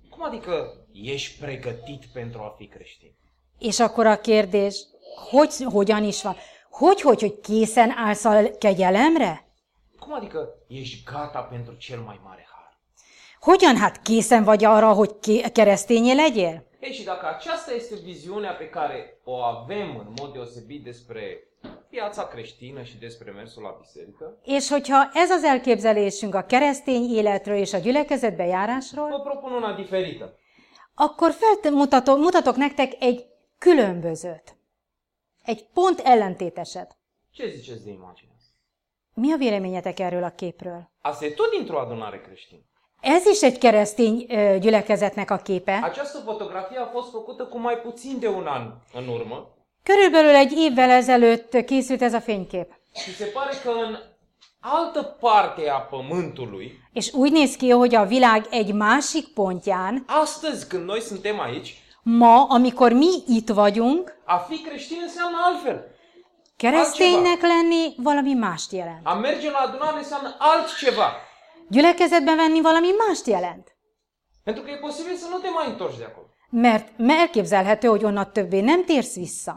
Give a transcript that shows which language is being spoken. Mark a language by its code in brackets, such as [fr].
[ro] Cum adică ești pregătit pentru a fi creștin? [hu] És akkor a kérdés, hogyan is van? Hogy készen állsz a kegyelemre? [ro] Cum adică ești gata pentru cel mai mare har? [hu] Hogyan hát készen vagy arra, hogy keresztényé legyél? [ro] Ei, și dacă aceasta este viziunea pe care o avem în mod deosebit despre viața creștină și despre mersul la biserică. [hu] És hogyha ez az elképzelésünk a keresztény életről és a gyülekezetbe járásról, [ro] mă propun una diferită. [hu] Akkor mutatok nektek egy különbözőt. Egy pont ellentéteset. [ro] Ce ziceți de imagine? [hu] Mi a véleményetek erről a képről? [ro] Asta e tot dintr-o adunare creștină. [hu] Ez is egy keresztény gyülekezetnek a képe. [ro] Această fotografie a fost făcută cu mai puțin de un an în urmă. [hu] Körülbelül egy évvel ezelőtt készült ez a fénykép. [ro] Și se pare că în altă parte a pământului. [hu] És úgy néz ki, hogy a világ egy másik pontján. [ro] Astăzi, când noi suntem aici, [hu] Ma, amikor mi itt vagyunk, [ro] a fi creștin înseamnă altfel. [hu] Kereszténynek lenni valami mást jelent. [ro] A merge la adunare înseamnă altceva. [hu] Gyülekezetben venni valami mást jelent. [ro] Pentru că e posibil să nu te mai întorci de acolo. [hu] Mert elképzelhető, hogy onnan többé nem térsz vissza.